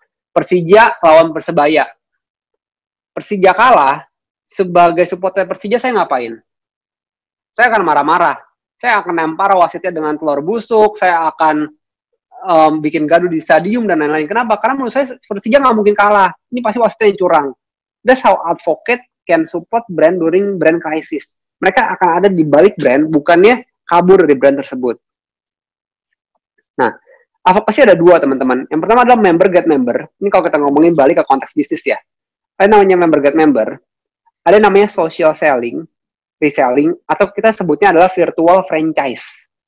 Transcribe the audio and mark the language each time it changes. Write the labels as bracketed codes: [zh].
[id] Persija lawan Persebaya. Persija kalah, sebagai supporter Persija saya ngapain? Saya akan marah-marah. Saya akan nempar wasitnya dengan telur busuk. Saya akan bikin gaduh di stadium dan lain-lain. Kenapa? Karena menurut saya Persija nggak mungkin kalah. Ini pasti wasitnya yang curang. [en] That's how advocate can support brand during brand crisis. [id] Mereka akan ada di balik brand, bukannya kabur dari brand tersebut. Nah, advocacy ada dua, teman-teman. Yang pertama adalah member get member. Ini kalau kita ngomongin balik ke konteks bisnis ya. Ada namanya member get member. Ada namanya social selling, reselling, atau kita sebutnya adalah virtual franchise.